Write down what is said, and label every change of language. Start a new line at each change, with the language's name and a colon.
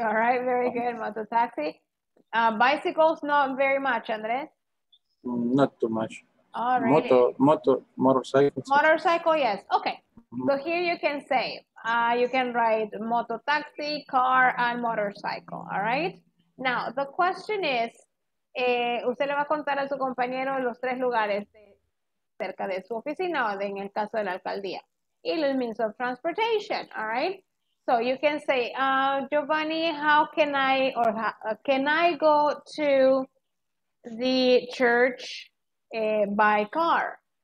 English: all right, very good, mototaxi. Bicycles, not very much, Andres. Not too much. All right. Motorcycles. Motorcycle, yes, okay. So here you can say, you can write mototaxi, car, and motorcycle, all right?
Spanish: Now, the question is, usted le va a contar a su compañero los tres lugares cerca de su oficina, o de, en el caso de la alcaldía, y los means of transportation, all right?
English: So you can say, Giovanni, how can I, or can I go to the church by car?